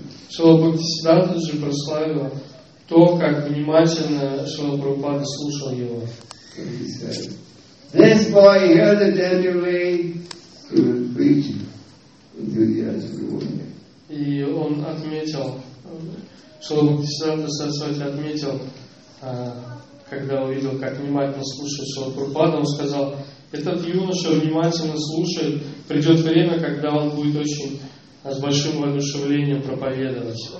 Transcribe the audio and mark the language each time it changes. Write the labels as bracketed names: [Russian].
[Russian] Шрила Бхактисиддханта же прославила то, как внимательно Шрила Прабхупада слушал его. [English] This boy heard attentively, he will preach enthusiastically. [Russian] И он отметил, Шрила Бхактисиддханта Сарасвати отметил, когда увидел, как внимательно слушает Шрила Прабхупада, он сказал, этот юноша внимательно слушает, придет время, когда он будет очень с большим воодушевлением проповедовать.